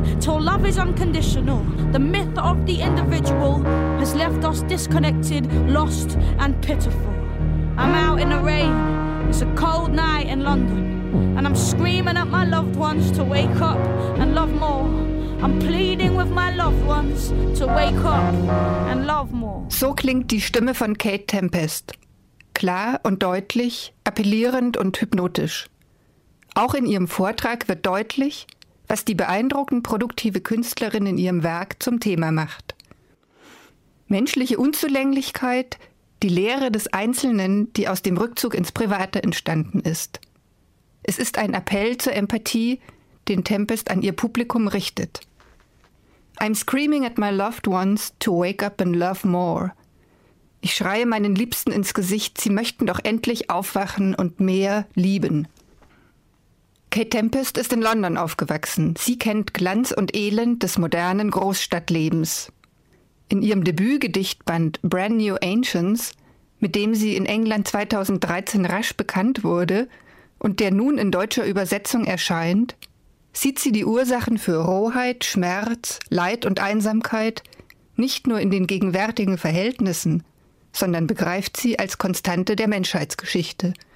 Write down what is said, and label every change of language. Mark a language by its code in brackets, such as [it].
[en] Till love is unconditional, the myth of the individual has left us disconnected, lost and pitiful. I'm out in the rain, it's a cold night in London, and I'm screaming at my loved ones to wake up and love more. I'm pleading with my loved ones to wake up and love more. [de] So klingt die Stimme von Kate Tempest. Klar und deutlich, appellierend und hypnotisch. Auch in ihrem Vortrag wird deutlich, was die beeindruckend produktive Künstlerin in ihrem Werk zum Thema macht. Menschliche Unzulänglichkeit, die Leere des Einzelnen, die aus dem Rückzug ins Private entstanden ist. Es ist ein Appell zur Empathie, den Tempest an ihr Publikum richtet. [en] I'm screaming at my loved ones to wake up and love more. [de] Ich schreie meinen Liebsten ins Gesicht, sie möchten doch endlich aufwachen und mehr lieben. Kate Tempest ist in London aufgewachsen. Sie kennt Glanz und Elend des modernen Großstadtlebens. In ihrem Debütgedichtband Brand New Ancients, mit dem sie in England 2013 rasch bekannt wurde und der nun in deutscher Übersetzung erscheint, sieht sie die Ursachen für Rohheit, Schmerz, Leid und Einsamkeit nicht nur in den gegenwärtigen Verhältnissen, sondern begreift sie als Konstante der Menschheitsgeschichte.